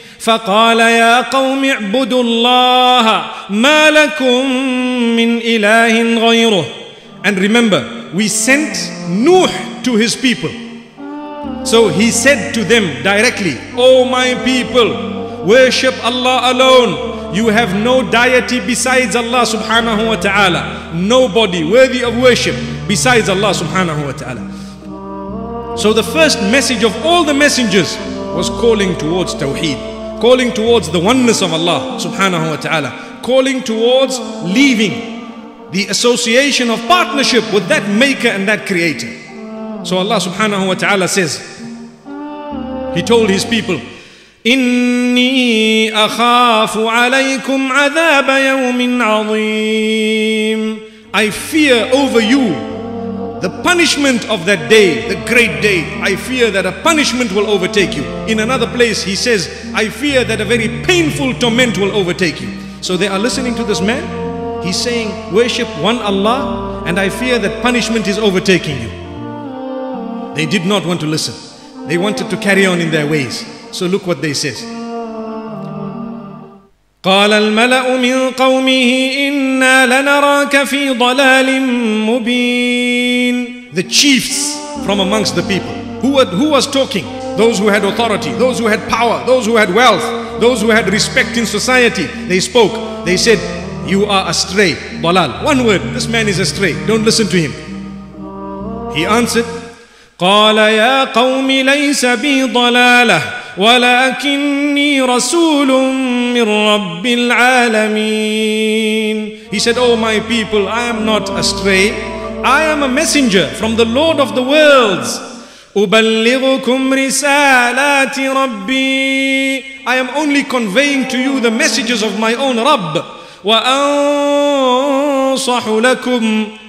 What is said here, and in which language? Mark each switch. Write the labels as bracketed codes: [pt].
[ar] فقال يا قوم اعبدوا الله ما لكم من إله غيره. [en] And remember, we sent Nuh to his people. So he said to them directly, oh my people, worship Allah alone. You have no deity besides Allah subhanahu wa ta'ala. Nobody worthy of worship besides Allah subhanahu wa ta'ala. So the first message of all the messengers was calling towards Tawheed, calling towards the oneness of Allah subhanahu wa ta'ala, calling towards leaving the association of partnership with that maker and that creator. So Allah subhanahu wa ta'ala says, he told his people, [ar] إني أخاف عليكم عذاب يوم عظيم. [en] I fear over you the punishment of that day, the great day. I fear that a punishment will overtake you. In another place he says, I fear that a very painful torment will overtake you. So they are listening to this man. He's saying, worship one Allah and I fear that punishment is overtaking you. They did not want to listen. They wanted to carry on in their ways. So look what they says. [ar] قال الملأ من قومه إنا لنراك في ضلال مبين. [en] The chiefs from amongst the people. Who was talking? Those who had authority, those who had power, those who had wealth, those who had respect in society. They spoke. They said, you are astray. ضلال. One word. This man is astray. Don't listen to him. He answered, [ar] قال يا قوم ليس بي ضلالة ولكني رسول من رب العالمين. [en] He said, oh my people, I am not astray. I am a messenger from the Lord of the worlds. [ar] أبلغكم رسالات ربي. [en] I am only conveying to you the messages of my own Rabb. [ar] وأنصح لكم.